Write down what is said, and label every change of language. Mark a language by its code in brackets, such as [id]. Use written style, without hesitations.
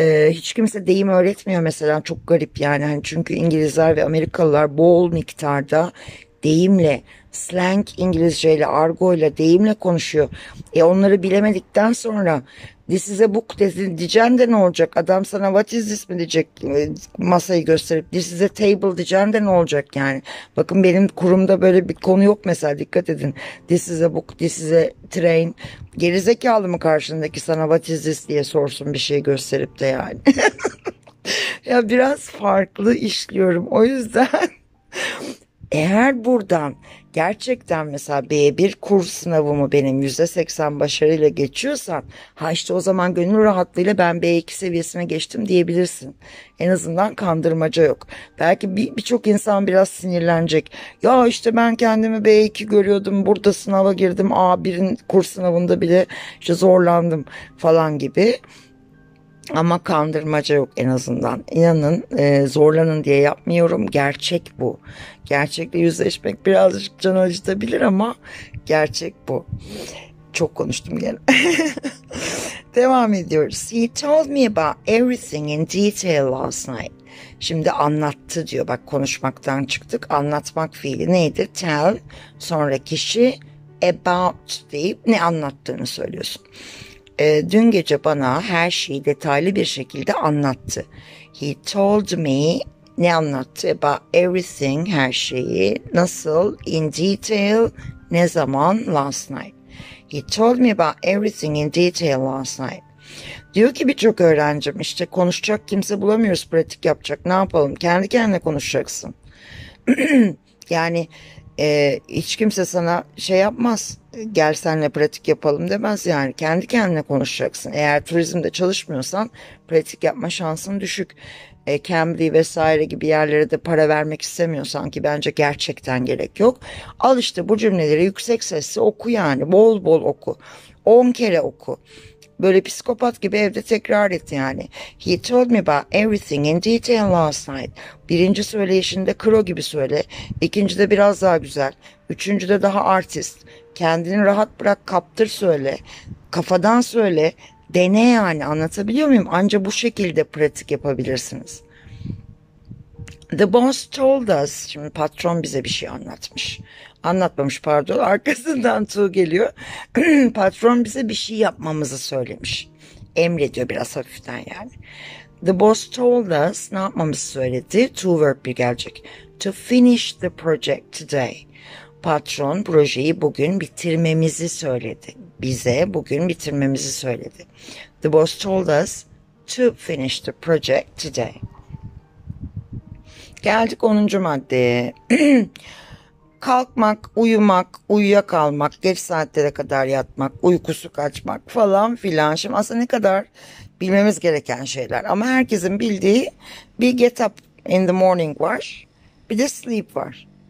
[tr] Hiç kimse deyim öğretmiyor mesela, çok garip yani. Hani çünkü İngilizler ve Amerikalılar bol miktarda deyimle, slang İngilizce ile, argo ile, deyimle konuşuyor. Onları bilemedikten sonra [en] this is a book [tr] diyeceğim de ne olacak? Adam sana [en] what is this [tr] mi diyecek, masayı gösterip [en] this is a table [tr] diyeceğim de ne olacak yani. Bakın benim kurumda böyle bir konu yok mesela, dikkat edin. [en] This is a book, this is a train. [tr] Gerizekalı mı karşındaki sana [en] what is this [tr] diye sorsun bir şey gösterip de yani. Ya biraz farklı işliyorum o yüzden. Eğer buradan gerçekten mesela B1 kur sınavımı benim %80 başarıyla geçiyorsan, ha işte o zaman gönül rahatlığıyla ben B2 seviyesine geçtim diyebilirsin. En azından kandırmaca yok. Belki birçok insan biraz sinirlenecek. Ya işte ben kendimi B2 görüyordum, burada sınava girdim, A1'in kur sınavında bile işte zorlandım falan gibi. Ama kandırmaca yok en azından. İnanın, zorlanın diye yapmıyorum. Gerçek bu. Gerçekle yüzleşmek birazcık can acıtabilir ama gerçek bu. Çok konuştum gene. Devam ediyoruz. [en] He told me about everything in detail last night. [tr] Şimdi anlattı diyor. Bak konuşmaktan çıktık. Anlatmak fiili neydi? Tell. Sonra kişi about deyip ne anlattığını söylüyorsun. Dün gece bana her şeyi detaylı bir şekilde anlattı. [en] He told me, [tr] ne anlattı? [en] About everything, [tr] her şeyi. Nasıl? [en] In detail. [tr] Ne zaman? [en] Last night. He told me about everything in detail last night. [tr] Diyor ki birçok öğrencim işte konuşacak kimse bulamıyoruz, pratik yapacak ne yapalım, kendi kendine konuşacaksın. Yani hiç kimse sana şey yapmaz, gel senle pratik yapalım demez, yani kendi kendine konuşacaksın. Eğer turizmde çalışmıyorsan pratik yapma şansın düşük. Cambly vesaire gibi yerlere de para vermek istemiyorsan, ki bence gerçekten gerek yok. Al işte bu cümleleri yüksek sesle oku, yani bol bol oku. 10 kere oku. Böyle psikopat gibi evde tekrar et yani. [en] He told me about everything in detail last night. [tr] Birinci söyleyişinde kro gibi söyle. İkincide biraz daha güzel. Üçüncüde daha artist. Kendini rahat bırak, kaptır söyle. Kafadan söyle. Dene yani, anlatabiliyor muyum? Anca bu şekilde pratik yapabilirsiniz. [en] The boss told us. [tr] Şimdi patron bize bir şey anlatmış. Anlatmamış pardon. Arkasından tu geliyor. Patron bize bir şey yapmamızı söylemiş. Emrediyor biraz hafiften yani. [en] The boss told us. [tr] Ne yapmamızı söyledi? To verb bir gelecek. [en] To finish the project today. [tr] Patron projeyi bugün bitirmemizi söyledi. Bize bugün bitirmemizi söyledi. [en] The boss told us to finish the project today. [tr] Geldik 10. maddeye. Kalkmak, uyumak, uyuyakalmak, geç saatlere kadar yatmak, uykusu kaçmak falan filan. Şimdi aslında ne kadar bilmemiz gereken şeyler. Ama herkesin bildiği bir [en] get up in the morning [tr] var. Bir de sleep var.